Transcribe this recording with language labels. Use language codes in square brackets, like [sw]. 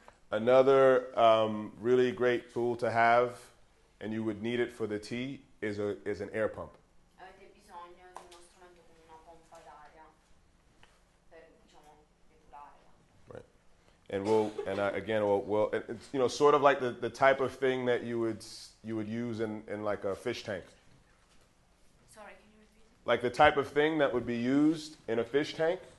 [en] Another really great tool to have, and you would need it for the tea, is an air pump. [it] Avete bisogno di uno strumento con una pompa d'aria per, diciamo, depurare. [en] Right, and sort of like the type of thing that you would use in like a fish tank. Sorry, can you repeat? Like the type of thing that would be used in a fish tank.